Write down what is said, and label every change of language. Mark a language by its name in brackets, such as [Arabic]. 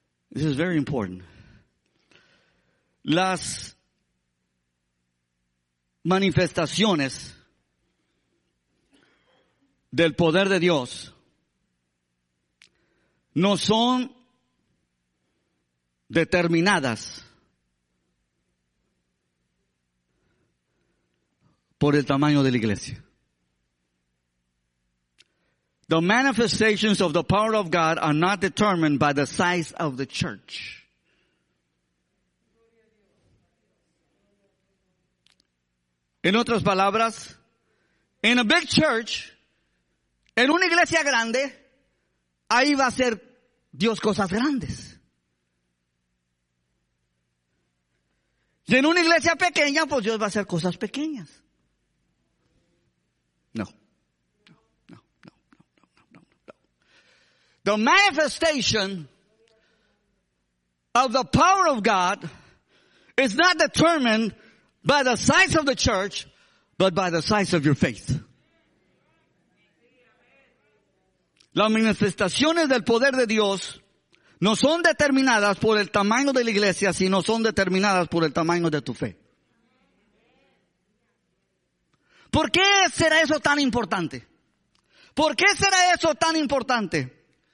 [English] This is very important. [Spanish] Las manifestaciones del poder de Dios no son determinadas por el tamaño de la iglesia. [English] The manifestations of the power of God are not determined by the size of the church. [Spanish] En otras palabras, [English] in a big church, [Spanish] en una iglesia grande, ahí va a hacer Dios cosas grandes. Y en una iglesia pequeña, pues Dios va a hacer cosas pequeñas. [English] The manifestation of the power of God is not determined by the size of the church, but by the size of your faith. [Spanish] Las manifestaciones del poder de Dios no son determinadas por el tamaño de la iglesia, sino son determinadas por el tamaño de tu fe. ¿Por qué será eso tan importante? ¿Por qué será eso tan importante?